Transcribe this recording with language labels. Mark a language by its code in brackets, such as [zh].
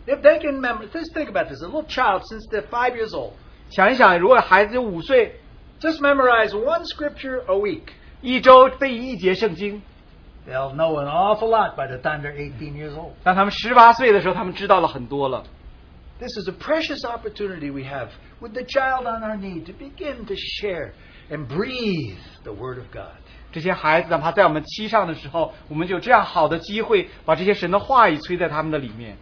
[en] If they can remember, just think about this, a little child since they're 5 years old. [zh] 想一想如果孩子有五岁, [en] just memorize one scripture a week. [zh] 一周背一节圣经。 [en] They'll know an awful lot by the time they're 18 years old. [zh] 当他们18岁的时候他们知道了很多了。 [en] This is a precious opportunity we have with the child on our knee to begin to share and breathe the word of God. [zh] 这些孩子哪怕在我们膝上的时候，我们就有这样好的机会，把这些神的话语吹在他们的里面。